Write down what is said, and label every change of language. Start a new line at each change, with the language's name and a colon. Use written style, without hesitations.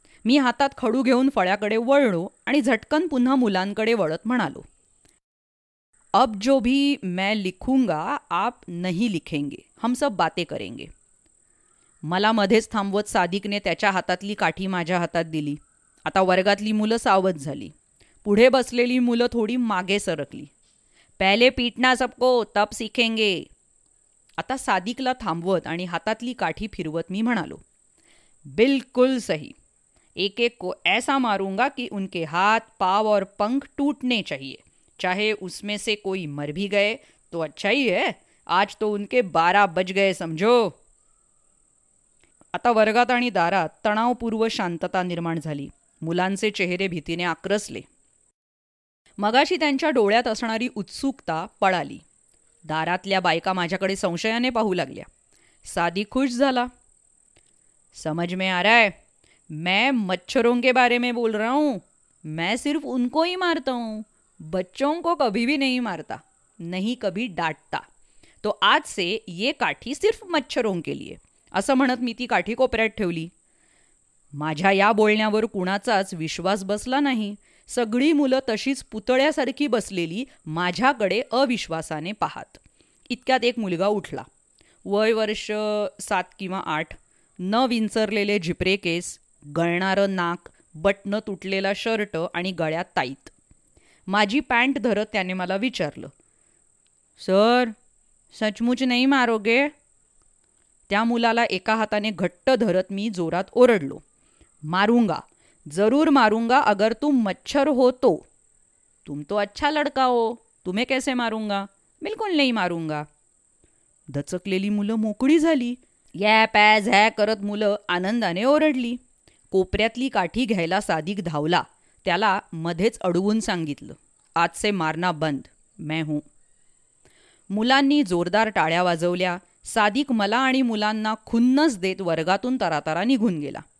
Marathi: मी हातात खडू घेऊन फळ्याकडे वळलो आणि झटकन पुन्हा मुलांकडे वळत म्हणालो,
Hindi: अब जो भी मैं लिखूंगा आप नहीं लिखेंगे, हम सब बातें करेंगे.
Marathi: मला मध्येच थांबवत सादिकने त्याच्या हातातली काठी माझ्या हातात दिली. आता वर्गातली मुलं सावध झाली, पुढे बसलेली मुलं थोडी मागे सरकली.
Hindi: पहले पीटना सबको तब सीखेंगे.
Marathi: आता सादिकला थांबवत आणि हातातली काठी फिरवत मी म्हणालो,
Hindi: बिलकुल सही, एक एक को ऐसा मारूंगा की उनके हात पाव और पंख टूटने चाहिए, चाहे उसमें से कोई मर भी गए तो अच्छा ही है, आज तो उनके 12 बज गए समझो.
Marathi: आता वर्गात आणि दारात तणावपूर्व शांतता निर्माण झाली. मुलांचे चेहरे भीतीने आक्रसले. मगाशी त्यांच्या डोळ्यात असणारी उत्सुकता पळाली. दारातल्या बायका माझ्याकडे संशयाने पाहू लागल्या. सादी खुश झाला.
Hindi: समझ में आ रहा है, मैं मच्छरों के बारे में बोल रहा हूं, मैं सिर्फ उनको ही मारता हूं, बच्चों को कभी भी नहीं मारता, नहीं कभी डांटता, तो आज से ये काठी सिर्फ मच्छरों के लिए,
Marathi: असं म्हणत मी ती काठी कोपऱ्यात ठेवली. माझ्या या बोलण्यावर कुणाचाच विश्वास बसला नाही. सगळी मुलं तशीच पुतळ्यासारखी बसलेली माझ्याकडे अविश्वासाने पाहत. इतक्यात एक मुलगा उठला. वय वर्ष 7 किंवा 8, न विंचरलेले झिपरे केस, गळणारं नाक, बटणं तुटलेला शर्ट आणि गळ्यात ताईत. माझी पॅन्ट धरत त्याने मला विचारलं,
Hindi: सर सचमुच नाही मारोगे?
Marathi: त्या मुलाला एका हाताने घट्ट धरत मी जोरात ओरडलो,
Hindi: मारूंगा, जरूर मारूंगा, अगर तुम मच्छर हो तो. तुम तो अच्छा लड़का हो, तुम्हें कैसे मारूंगा, बिल्कुल नहीं मारूंगा.
Marathi: दचकलेली मुलं मोकळी झाली. या पॅज है करत मुलं आनंदाने ओरडली. कोपऱ्यातली काठी घ्यायला सादिक धावला. त्याला मध्येच अडवून सांगितलं,
Hindi: आज से मारना बंद, मैं हूं.
Marathi: मुलांनी जोरदार टाळ्या वाजवल्या. सादिक मला आणि मुलांना खुन्नस देत वर्गातून तरातरा निघून गेला.